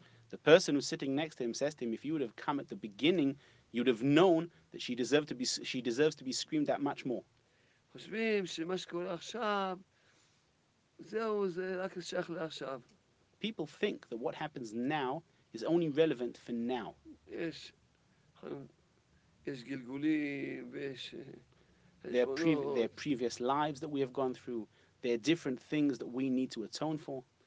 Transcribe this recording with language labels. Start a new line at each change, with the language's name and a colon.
English: The person who's sitting next to him says to him, if you would have come at the beginning, you'd have known that she deserves to be screamed at much more.
Hebrew: חושבים שמה שקורה עכשיו, זהו, זה רק שייך לעכשיו.
English: People think that what happens now is only relevant for now.
Hebrew: יש גלגולים ויש...
English: Their previous lives that we have gone through, there are different things that we need to atone for.